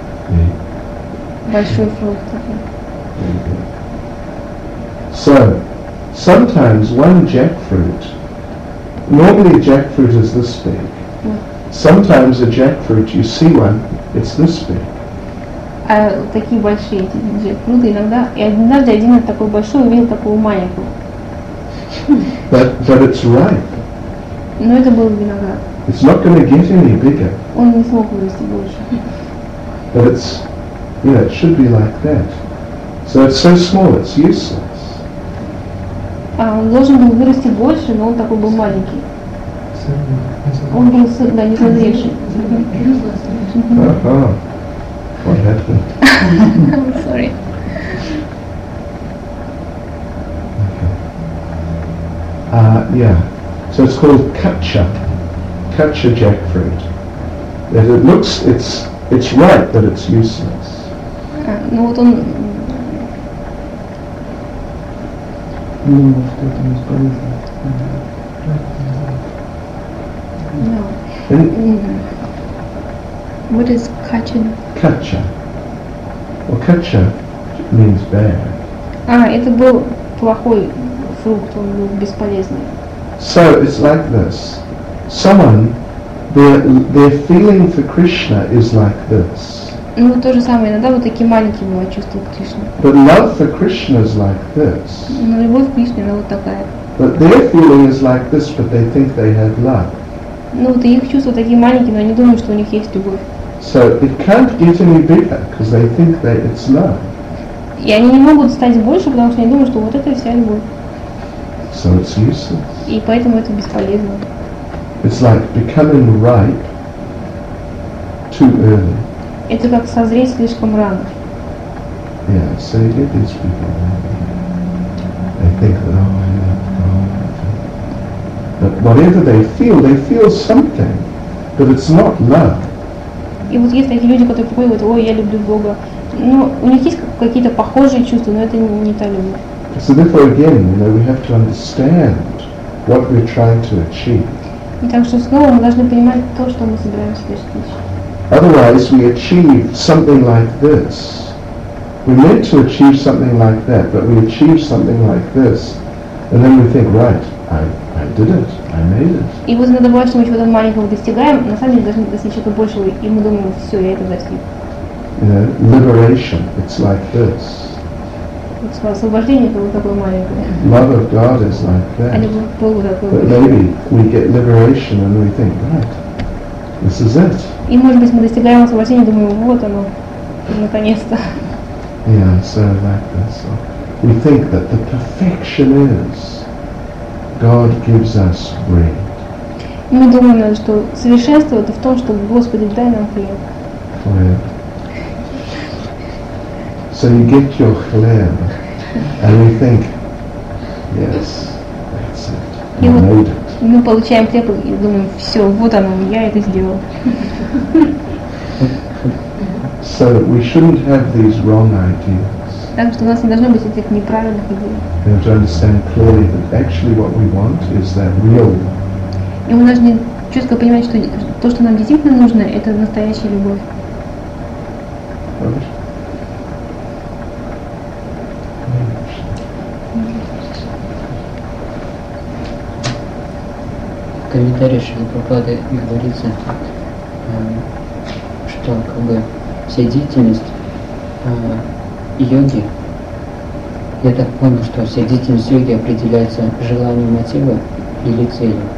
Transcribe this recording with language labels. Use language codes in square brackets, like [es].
[en] Yeah. [ru] Большой фрукт. [en] So, sometimes one jackfruit, normally a jackfruit is this big. Sometimes a jackfruit, you see one, it's this big. [ru] А такие большие эти jackfruit иногда, и однажды один такой большой увидел такого маленького. [en] But it's ripe. [ru] Но это был виноград. [en] It's not going to get any bigger. [ru] Он не смог вырасти больше. [en] But it's, yeah, it should be like that. So it's so small, it's useless. [ru] А он должен был вырасти больше, но он такой был маленький. Он был, да, не созревший. [en] Ага. What happened? I'm sorry. Yeah, so it's called kacha, kacha jackfruit. That it looks, it's right, but it's useless. [ru] Ну вот он. Ну что это не полезно. [en] No. What is kacha? Kacha. Well, kacha means bad. [ru] А это был плохой фрукт, он был бесполезный. [en] So it's like this. Someone, their feeling for Krishna is like this. [ru] Ну то же самое, иногда вот такие маленькие мои чувства к Кришне. [en] But love for Krishna is like this. [ru] Но любовь к Кришне, она вот такая. [en] But their feeling is like this, but they think they have love. [ru] Ну вот их чувства такие маленькие, но они думают, что у них есть любовь. [en] So it can't get any bigger, because they think that it's love. [ru] И они не могут стать больше, потому что они думают, что вот это вся любовь. [en] So it's useless. [ru] И поэтому это бесполезно. [en] It's like becoming ripe too early. [ru] Это как созреть слишком рано. [en] Yeah, so you get these people. They think that, oh, I love God. But whatever they feel something. But it's not love. [ru] И вот есть такие люди, которые приходят, ой, я люблю Бога. Но у них есть какие-то похожие чувства, но это не та любовь. [en] So therefore, again, you know, we have to understand what we're trying to achieve. [ru] Так что снова мы должны понимать то, что мы собираемся достичь. [en] Otherwise, we achieve something like this. We meant to achieve something like that, but we achieve something like this, and then we think, right, I did it, I made it. [ru] И вот иногда бывает, что мы чего-то маленького достигаем, на самом деле должны достичь чего-то большего, и мы думаем, все, я это достиг. [en] You know, liberation. It's like this. [ru] Освобождение было такое маленькое. [en] Love of God is like that. But maybe we get liberation and we think, right, this is it. [ru] И может быть мы достигаем освобождения, думаем, вот оно, наконец-то. [en] Yeah, so like this. We think that the perfection is God gives us bread. [ru] Мы думаем, что совершенство это в том, что Господь дай нам хлеб. [en] So you get your chleb, and you think, yes, that's it, I made it. [ru] Мы получаем хлеб и думаем, все, вот оно, я это сделал. [en] So we shouldn't have these wrong ideas. [ru] Так что у нас не должно быть этих неправильных идей. [en] We have to understand clearly that actually what we want is that real love. [ru] И мы должны четко понимать, что то, что нам действительно нужно, это настоящая любовь. В комментариях Шрилы Прабхупады говорится, что как бы вся деятельность йоги, я так понял, что вся деятельность йоги определяется желанием мотива или целью.